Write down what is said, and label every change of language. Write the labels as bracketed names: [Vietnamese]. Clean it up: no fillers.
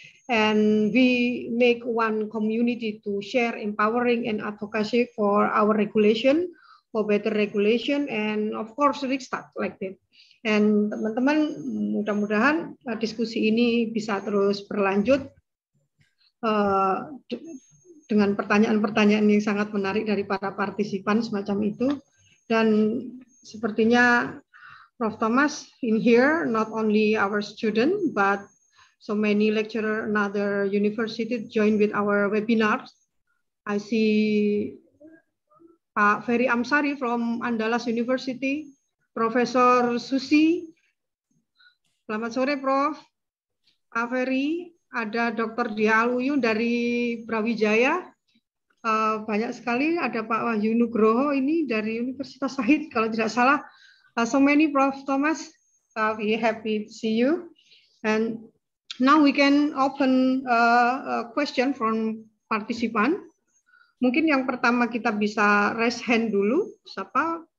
[English] And we make one community to share empowering and advocacy for our regulation, for better regulation, and of course, Riksdag like that. [Indonesian] And teman-teman, mudah-mudahan diskusi ini bisa terus berlanjut dengan pertanyaan-pertanyaan yang sangat menarik dari para partisipan semacam itu. Dan sepertinya Prof. [English] Thomas in here, not only our student, but so many lecturer another university join with our webinar. I see Pak Ferry Amsari from Andalas University, Professor Susi. [Indonesian] Selamat sore, Prof. Pak Ferry. Ada Dr. Dial Uyun dari Brawijaya, banyak sekali. Ada Pak Wahyu Nugroho ini dari Universitas Sahid, kalau tidak salah. [English] So many, Prof. Thomas, we happy to see you. And now we can open a question from participant. [Indonesian] Mungkin yang pertama kita bisa raise hand dulu, siapa?